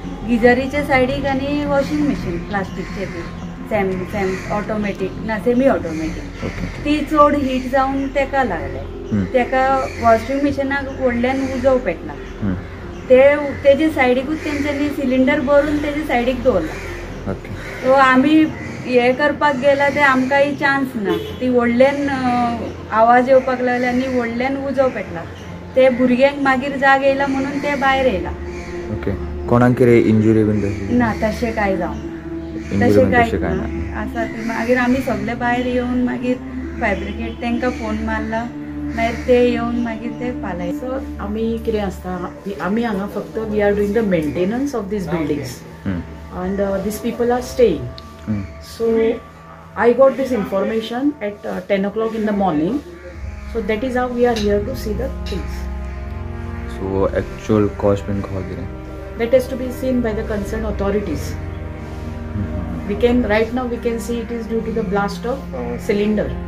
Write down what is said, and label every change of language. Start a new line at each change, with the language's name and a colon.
Konkani: गिजरीच्या सायडीक आनी वॉशिंग मशीन प्लास्टीकचे ती सेम ऑटोमॅटीक ना सेमी ऑटोमॅटीक ती चड हीट जावन तेका लागले. तेका वॉशिंग मशिनाक व्हडल्यान उजो पेटला. तेजे सायडीकूच तेंच्यांनी सिलिंडर भरून तेजे सायडीक दवरला. सो आमी हे करपाक गेला ते आमकांय चान्स ना. ती व्हडल्यान आवाज येवपाक लागले आनी व्हडल्यान उजो पेटला. ते भुरग्यांक मागीर जाग येयला म्हणून ते भायर येयला. कोणाक किरे इंजुरी बीन ना, तशें कांय जावं आसा. मागीर आमी सगळे भायर येवन मागीर फायर ब्रिगेड तेंकां फोन मारला, मागीर ते येवन मागीर ते पालय. सो आमी किरे आसता, आमी हांगा फक्त
English: We are doing the maintenance of these buildings and these people are staying. So I got this information at 10 o'clock in the morning. So that is how we are here to see the things.
Konkani: So actual cause been खबर किरे?
English: That has to be seen by the concerned authorities. We can right now we can see it is due to the blast of cylinder.